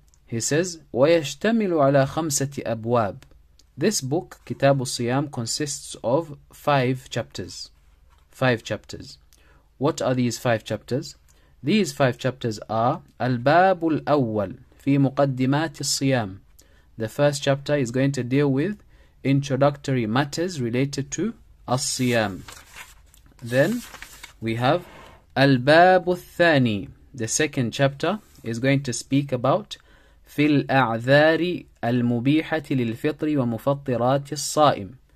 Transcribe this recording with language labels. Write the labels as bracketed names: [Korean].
[English] He says [Arabic] ويشتمل على خمسة أبواب. [English] This book, كتاب الصيام, consists of five chapters. Five chapters. What are these five chapters? These five chapters are [Arabic] الباب الأول في مقدمات الصيام. [English] The first chapter is going to deal with introductory matters related to الصيام. Then we have [Arabic] الباب الثاني. [English] The second chapter is going to speak about [Arabic] في الأعذار المبيحة للفطر ومفطرات الصائم.